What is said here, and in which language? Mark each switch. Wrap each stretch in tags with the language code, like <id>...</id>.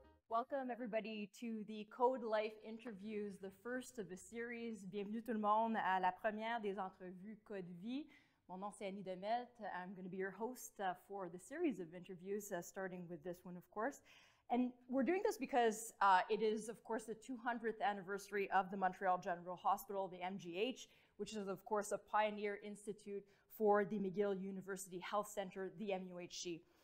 <en>Welcome everybody to the Code Life interviews, the first of a series.</en> <fr>Bienvenue tout le monde à la première des entrevues Code Vie. Mon nom c'est Annie DeMelt.</fr> <en>I'm going to be your host for the series of interviews, starting with this one, of course. And we're doing this because it is, of course, the 200th anniversary of the Montreal General Hospital, the MGH, which is, of course, a pioneer institute for the McGill University Health Centre, the MUHC.</en>